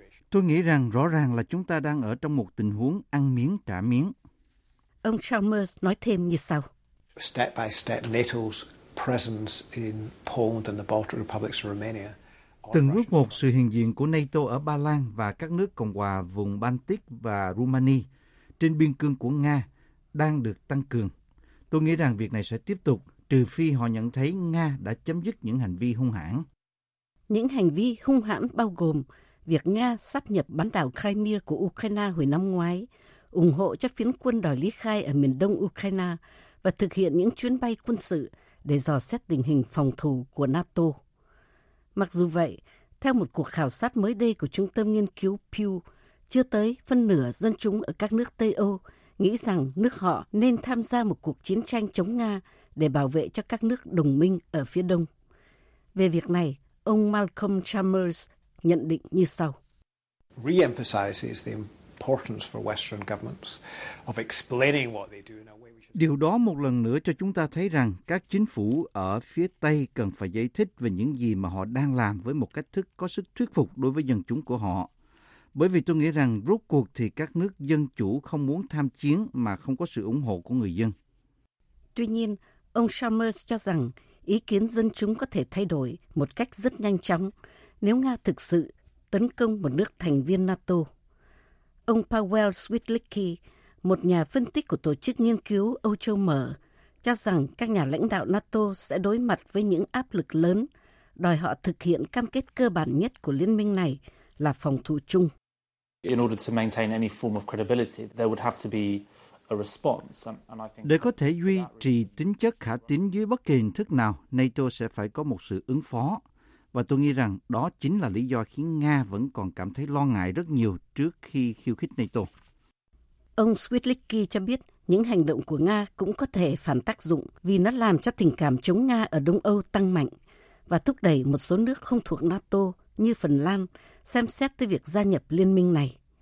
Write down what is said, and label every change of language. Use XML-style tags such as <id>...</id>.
<vi>Tôi nghĩ rằng rõ ràng là chúng ta đang ở trong một tình huống ăn miếng trả miếng. Ông Chalmers nói thêm như sau.</vi> <en>Step by step, NATO's presence in Poland and the Baltic Republics and Romania.</en> <vi>Từng bước một, sự hiện diện của NATO ở Ba Lan và các nước cộng hòa vùng Baltic và Romania trên biên cương của Nga đang được tăng cường. Tôi nghĩ rằng việc này sẽ tiếp tục trừ phi họ nhận thấy Nga đã chấm dứt những hành vi hung hãn. Những hành vi hung hãn bao gồm việc Nga sáp nhập bán đảo Crimea của Ukraine hồi năm ngoái, ủng hộ cho phiến quân đòi ly khai ở miền đông Ukraine và thực hiện những chuyến bay quân sự để dò xét tình hình phòng thủ của NATO. Mặc dù vậy, theo một cuộc khảo sát mới đây của Trung tâm Nghiên cứu Pew, chưa tới phân nửa dân chúng ở các nước Tây Âu nghĩ rằng nước họ nên tham gia một cuộc chiến tranh chống Nga để bảo vệ cho các nước đồng minh ở phía đông. Về việc này, ông Malcolm Chalmers nhận định như sau.</vi> <en>Re-emphasizes the importance for Western governments of explaining what they do in a way we should.</en> <vi>Điều đó một lần nữa cho chúng ta thấy rằng các chính phủ ở phía Tây cần phải giải thích về những gì mà họ đang làm với một cách thức có sức thuyết phục đối với dân chúng của họ. Bởi vì tôi nghĩ rằng rốt cuộc thì các nước dân chủ không muốn tham chiến mà không có sự ủng hộ của người dân. Tuy nhiên, ông Chalmers cho rằng ý kiến dân chúng có thể thay đổi một cách rất nhanh chóng nếu Nga thực sự tấn công một nước thành viên NATO. Ông Powell Switlicki, một nhà phân tích của Tổ chức Nghiên cứu Âu Châu Mở, cho rằng các nhà lãnh đạo NATO sẽ đối mặt với những áp lực lớn, đòi họ thực hiện cam kết cơ bản nhất của liên minh này là phòng thủ chung.</vi> <en>In order to maintain any form of credibility, there would have to be a response. And I think</en> <vi>để có thể duy trì tính chất khả tín dưới bất kỳ hình thức nào, NATO sẽ phải có một sự ứng phó. Và tôi nghĩ rằng đó chính là lý do khiến Nga vẫn còn cảm thấy lo ngại rất nhiều trước khi khiêu khích NATO. Ông Switlicki cho biết những hành động của Nga cũng có thể phản tác dụng vì nó làm cho tình cảm chống Nga ở Đông Âu tăng mạnh và thúc đẩy một số nước không thuộc NATO như Phần Lan xem xét tới việc gia nhập liên minh này.</vi>